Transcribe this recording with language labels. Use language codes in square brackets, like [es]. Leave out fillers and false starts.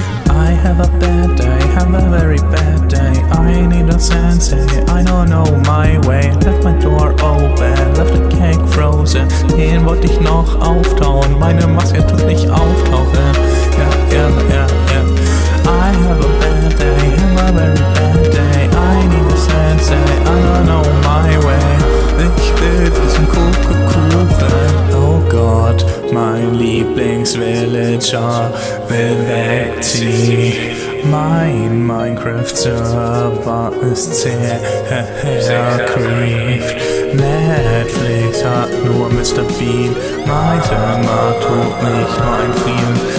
[en] I have a bad day, have a very bad day. I need a sensei, I don't know my way. Left my door open, left a cake frozen. [de] Den wollte ich noch auftauen, meine Maske tut nicht auftauchen. Ja, ja, ja, ja. [en] I have a bad day, have a very bad day. I need a sensei, I don't know my way. [de] Ich will diesen Kuchen. Oh Gott, mein Lieblingsvillager will wegziehen. Mein Minecraft-Server ist sehr creeped. Netflix hat nur Mr. Bean. Mein Zimmer tut nicht mein Frieden.